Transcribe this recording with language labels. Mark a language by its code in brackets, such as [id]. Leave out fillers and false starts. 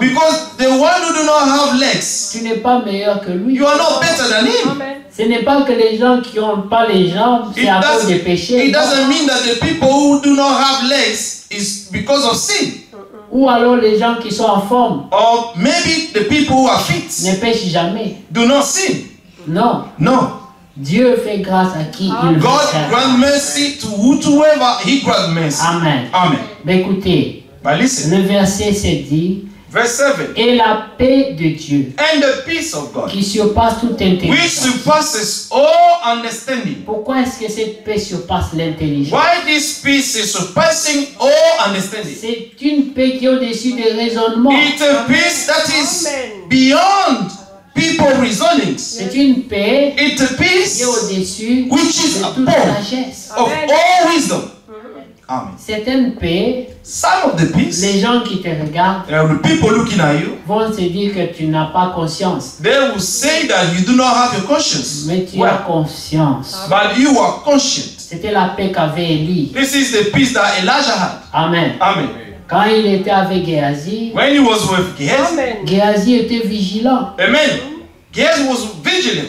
[en] because the one who do not have legs, [fr] tu n'es pas meilleur que lui, [en] you are not better than him. [fr] Ce n'est pas que les gens qui n'ont pas les jambes, c'est à cause des péchés. [en] It doesn't mean that the people who do not have legs is because of sin. [fr] Ou alors les gens qui sont en forme. [en] Or maybe the people who are fit. [fr] Ne pêchent jamais. [en] Do not sin. [fr] Non. Non. Dieu fait grâce à qui il veut. [en] God grant mercy to whoever he grant mercy. Amen. Amen. [fr] Mais écoutez. [en] But listen. [fr] Le verset s'est dit. [en] Verse 7. [fr] Et la paix de Dieu. [en] And the peace of God. [fr] Qui surpasse toute intelligence. [en] Which surpasses all understanding. [fr] Pourquoi est-ce que cette paix surpasse l'intelligence? [en] Why this peace is surpassing all understanding? [fr] C'est une paix qui est au-dessus des raisonnements. [en] It's a peace that is beyond people reasoning. [fr] C'est une paix. [en] It's a peace [fr] qui est au-dessus, [en] which is above of all wisdom. Amen. [fr] Certaines paix. [en] Some of the peace. [fr] Les gens qui te regardent. [en] There are people looking at you. [fr] Vont se dire que tu n'as pas conscience. [en] They will say that you do not have your conscience. [fr] Mais tu as conscience. [en] But you are conscient. [fr] C'était la paix qu'avait Élie. [en] This is the peace that Elijah had. Amen. Amen. [fr] Quand il était avec Gehazi, [en] when he was with Gehazi, amen. [fr] Gehazi était vigilant. [en] Amen. Gehazi was vigilant.